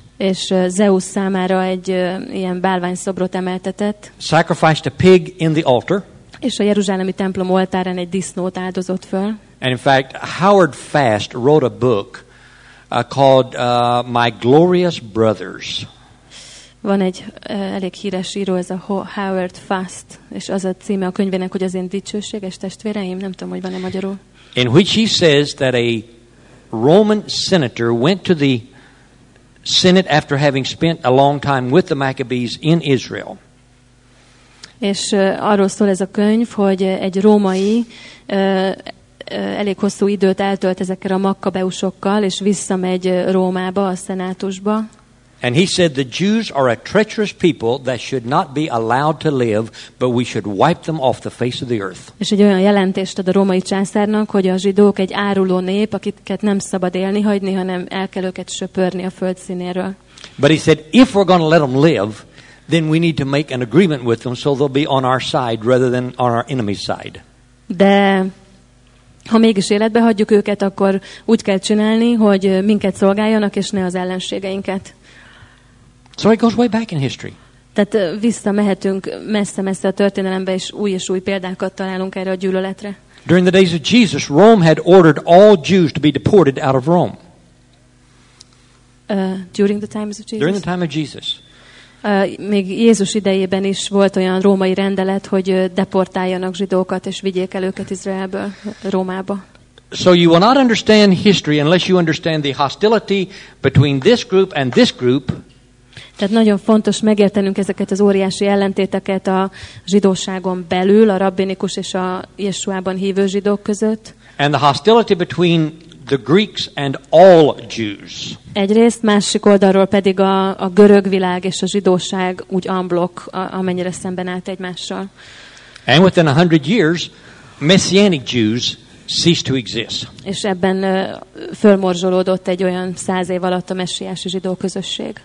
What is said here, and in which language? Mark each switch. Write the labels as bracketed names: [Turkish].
[Hungarian] És Zeus számára egy ilyen bálvány szobrot emeltetett. [English] Sacrificed a pig in the altar. [Hungarian] És a jeruzsálemi templom oltárán egy disznót áldozott föl. [English] And in fact, Howard Fast wrote a book called My Glorious Brothers. [Hungarian] Van egy elég híres író, ez a Howard Fast, és az a címe a könyvének, hogy az én dicsőséges testvéreim, nem tudom, hogy van-e magyarul. [English] In which he says that a Roman senator went to the Senate after having spent a long time with the Maccabees in Israel. [Hungarian] És arról szól ez a könyv, hogy egy római elég hosszú időt eltölt ezekkel a makkabeusokkal, és visszamegy Rómába, a szenátusba. [English] And he said, the Jews are a treacherous people that should not be allowed to live, but we should wipe them off the face of the earth. [Hungarian] És egy olyan jelentést ad a római császárnak, hogy a zsidók egy áruló nép, akiket nem szabad élni hagyni, hanem el kell őket söpörni a föld színéről. [English] But he said, if we're going to let them live, then we need to make an agreement with them so they'll be on our side rather than on our enemy's side. [Hungarian] De ha mégis életbe hagyjuk őket, akkor úgy kell csinálni, hogy minket szolgáljanak, és ne az ellenségeinket. [English] So it goes way back in history. [Hungarian] Tehát visszamehetünk messze-messze a történelembe, és új példákat találunk erre a gyűlöletre. [English] During the days of Jesus, Rome had ordered all Jews to be deported out of Rome. During the times of Jesus? During the time of Jesus. [Hungarian] Még Jézus idejében is volt olyan római rendelet, hogy deportáljanak zsidókat és vigyék el őket Izraelből Rómába. [English] So you will not understand history unless you understand the hostility between this group and this group. [Hungarian] Tehát nagyon fontos megértenünk ezeket az óriási ellentéteket a zsidóságon belül, a rabbinikus és a Jeshuában hívő zsidók között. [English] And the hostility between the Greeks and all Jews. [Hungarian] Egyrészt, másik oldalról pedig a görög világ és a zsidóság úgy amblok, amennyire szemben állt egymással. [English] And within 100 years, messianic Jews ceased to exist. [Hungarian] És ebben fölmorzsolódott egy olyan 100 év alatt a messiási zsidó közösség.